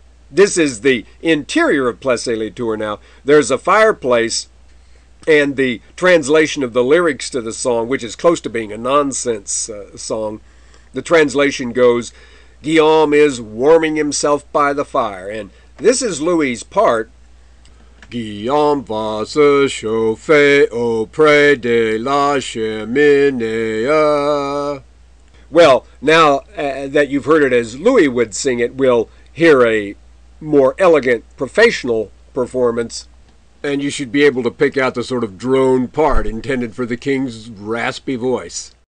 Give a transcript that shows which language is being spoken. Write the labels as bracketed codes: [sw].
[en] This is the interior of Plessis-les-Tours now. There's a fireplace, and the translation of the lyrics to the song, which is close to being a nonsense song, the translation goes, Guillaume is warming himself by the fire, and this is Louis's part. [fr] Guillaume va se chauffer auprès de la cheminée. [en] Well, now that you've heard it as Louis would sing it, we'll hear a more elegant, professional performance, and you should be able to pick out the sort of drone part intended for the king's raspy voice.